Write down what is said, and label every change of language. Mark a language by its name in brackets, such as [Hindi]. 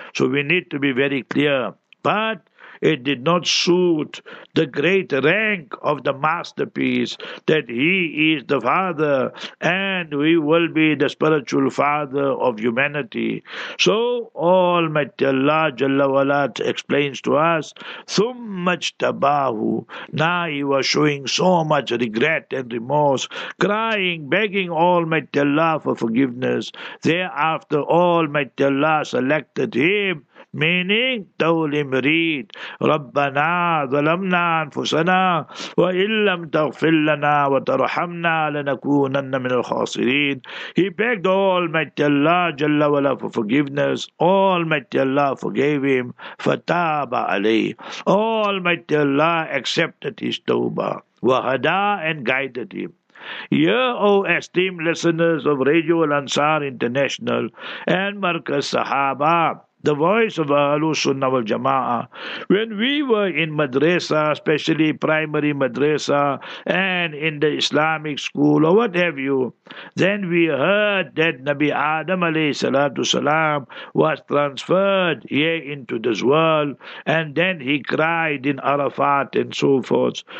[English] So we need to be very clear. But it did not suit the great rank of the masterpiece that he is the father and we will be the spiritual father of humanity. So Almighty Allah Jalla Wala explains to us, [Arabic] ثُمَّ اجْتَبَاهُ. [English] Now he was showing so much regret and remorse, crying, begging Almighty Allah for forgiveness. Thereafter Almighty Allah selected him, meaning, told him, read, [Arabic] رَبَّنَا ظَلَمْنَا أَنفُسَنَا وَإِن لَّمْ تَغْفِرْ لَنَا وَتَرْحَمْنَا لَنَكُونَنَّ مِنَ الْخَاسِرِينَ. [English] He begged Almighty Allah Jalla Wala for forgiveness. Almighty Allah forgave him. [Arabic] فَتَابَ عَلَيْهِ. [English] Almighty Allah accepted his tawbah. وَهَدَى, and guided him. Here, O esteemed listeners of Radio Al-Ansar International and Markaz Sahaba, the voice of Ahlus Sunnah wal Jama'ah, when we were in madrasa, especially primary madrasa, and in the Islamic school or what have you, then we heard that Nabi Adam alayhi salatu salam was transferred here into this world, and then he cried in Arafat and so forth.